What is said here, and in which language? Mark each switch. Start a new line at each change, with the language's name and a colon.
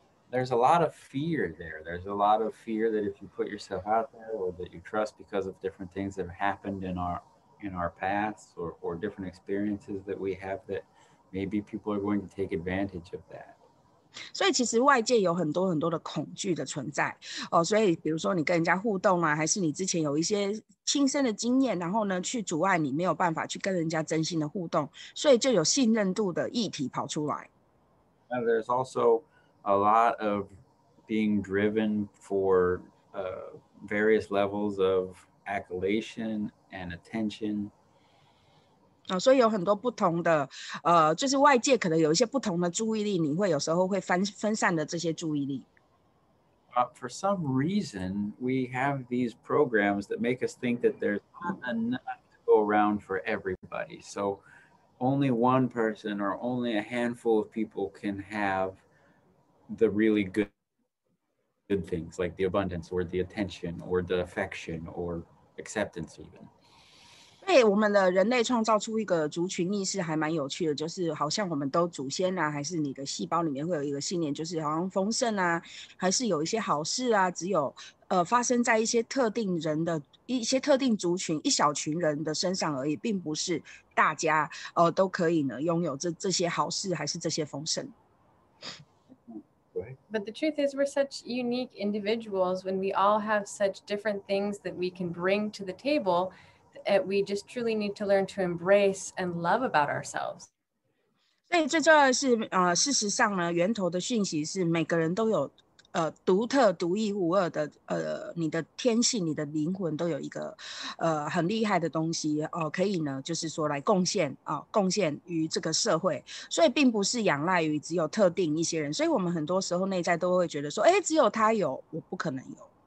English: There's a lot of fear there. There's a lot of fear that if you put yourself out there or that you trust because of different things that have happened in our past or different experiences that we have that maybe people are going to take advantage of that.
Chinese: 所以其实外界有很多很多的恐惧的存在。所以比如说你跟人家互动啊，还是你之前有一些亲身的经验，然后呢去阻碍你没有办法去跟人家真心的互动，所以就有信任度的议题跑出来。
English: And there's also... A lot of being driven for various levels of accolation and attention.
Chinese: 所以有很多不同的就是外界可能有一些不同的注意力，你会有时候会分散的这些注意力。
English: For some reason, we have these programs that make us think that there's not enough to go around for everybody. So only one person or only a handful of people can have. The really good things like the abundance or the attention or the affection or acceptance, even.
Chinese: 对我们的人类创造出一个族群意识还蛮有趣的，就是好像我们都祖先啊，还是你的细胞里面会有一个信念，就是好像丰盛啊，还是有一些好事啊，只有发生在一些特定人的一些特定族群一小群人的身上而已，并不是大家都可以呢拥有这些好事还是这些丰盛。
English: But the truth is, we're such unique individuals. When we all have such different things that we can bring to the table, we just truly need to learn to embrace and love about ourselves.
Chinese: 所以最重要的是，事实上呢，源头的讯息是每个人都有，独特、独一无二的，你的天性、你的灵魂都有一个，很厉害的东西，可以呢，就是说来贡献，贡献于这个社会，所以并不是仰赖于只有特定一些人，所以我们很多时候内在都会觉得说，只有他有，我不可能有。